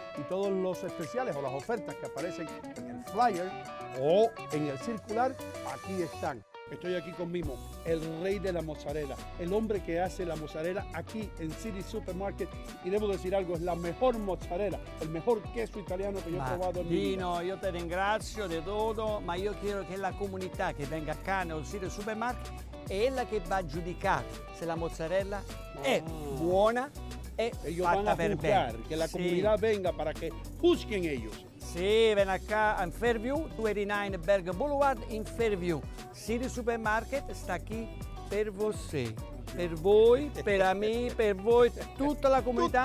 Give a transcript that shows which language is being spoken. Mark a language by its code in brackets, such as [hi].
[es] Y todos los especiales o las ofertas que aparecen en el flyer o en el circular, aquí están. Estoy aquí con Mimo, el rey de la mozzarella, el hombre que hace la mozzarella aquí en City Supermarket. Y debo decir algo, es la mejor mozzarella, el mejor queso italiano que yo he probado en mi vida. [it] Dino, yo te ringrazio de todo, ma [es] yo quiero que la [it] comunità che venga [es] acá en el [it] City Supermarket è la che va a giudicare se la mozzarella è buona e fatta per bene. [es] Que la comunidad venga para que juzguen ellos. [it] Sì, [es] ven acá [it] in Fairview, 289 Bergen Boulevard, in Fairview. City Supermarket sta qui per voi, per voi, per me, per voi, tutta la comunità.